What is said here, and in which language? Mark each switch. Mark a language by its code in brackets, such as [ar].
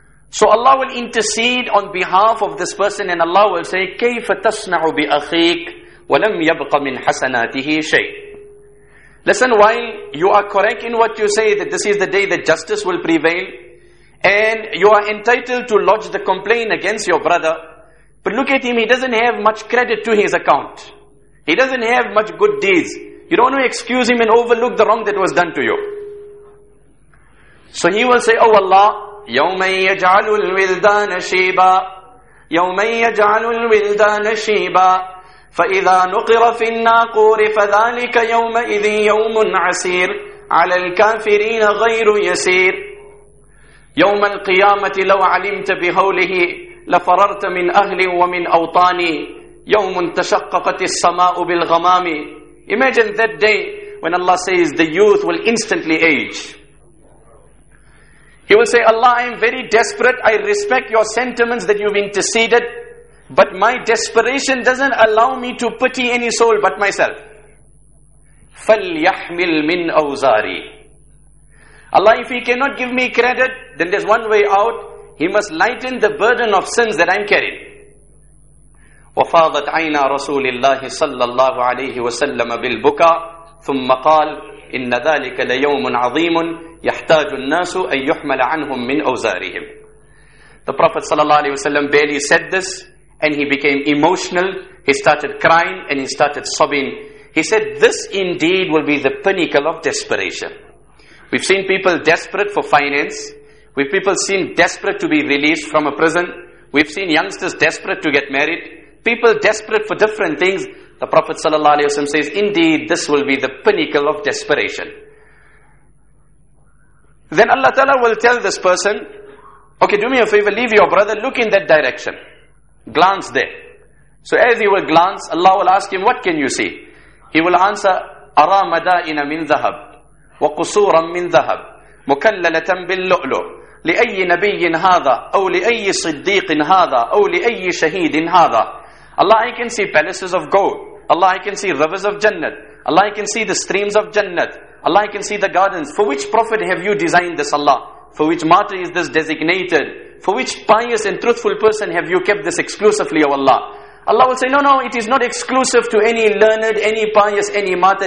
[en] So Allah will intercede on behalf of this person, and Allah will say, [ar] كَيْفَ تَصْنَعُ بِأَخِيكَ وَلَمْ يَبْقَ مِنْ حَسَنَاتِهِ شَيْءٍ [en] Listen, while you are correct in what you say, that this is the day that justice will prevail, and you are entitled to lodge the complaint against your brother, but look at him, he doesn't have much credit to his account. He doesn't have much good deeds. You don't want to excuse him and overlook the wrong that was done to you. So he will say, Oh Allah, [ar] يَوْمَن يَجْعَلُ الْوِلْدَانَ شِيبًا يَوْمَن يَجْعَلُ الْوِلْدَانَ شِيبًا فَإِذَا نُقِرَ فِي النَّاقُورِ فَذَلِكَ يَوْمَئِذٍ يَوْمٌ عَسِيرٌ عَلَى الْكَافِرِينَ غَيْرُ يَسِيرٌ يَوْمَ الْقِيَامَةِ لَوْ عَلِمْتَ بِهَوْلِهِ لَفَرَرْتَ مِنْ أَهْلِ وَمِنْ أَوْطَانِ يَوْمٌ تَشَقَّقَتِ السَّمَاءُ بِالْغَمَامِ [en] Imagine that day when Allah says the youth will instantly age. He will say, Allah, I am very desperate. I respect your sentiments that you've interceded. But my desperation doesn't allow me to pity any soul but myself. [ar] فَلْيَحْمِلْ مِنْ أَوْزَارِي [en] Allah, if he cannot give me credit, then there's one way out. He must lighten the burden of sins that I'm carrying. [ar] وَفَاضَتْ عَيْنَا رَسُولِ اللَّهِ صَلَّى اللَّهُ عَلَيْهِ وَسَلَّمَ بِالْبُكَى ثُمَّ قَالْ إِنَّ ذَلِكَ لَيَوْمٌ عَظِيمٌ يَحْتَاجُ النَّاسُ أَن يُحْمَلَ عَنْهُم مِّنْ أَوْزَارِهِمْ [en] The Prophet ﷺ barely said this, and he became emotional, he started crying, and he started sobbing. He said, this indeed will be the pinnacle of desperation. We've seen people desperate for finance, we've people seen desperate to be released from a prison, we've seen youngsters desperate to get married, people desperate for different things. The Prophet ﷺ says, indeed, this will be the pinnacle of desperation. Then Allah Ta'ala will tell this person, okay, do me a favor, leave your brother, look in that direction. Glance there. So as he will glance, Allah will ask him, what can you see? He will answer, [ar] أَرَى مَدَائِنَ مِنْ ذَهَبٍ وَقُصُورًا مِنْ ذَهَبٍ مُكَلَّلَةً بِاللُّؤْلُؤِ لِأَيِّ نَبِيٍ هَذَا أَوْ لِأَيِّ صِدِّيقٍ هَذَا أَوْ لِأَيِّ شَهِيدٍ هَذَا [en] Allah, I can see palaces of gold. Allah, I can see rivers of Jannat. Allah, I can see the streams of Jannat. Allah, I can see the gardens. For which prophet have you designed this, Allah? For which martyr is this designated? For which pious and truthful person have you kept this exclusively, O Allah? Allah will say, no, it is not exclusive to any learned, any pious, any martyr.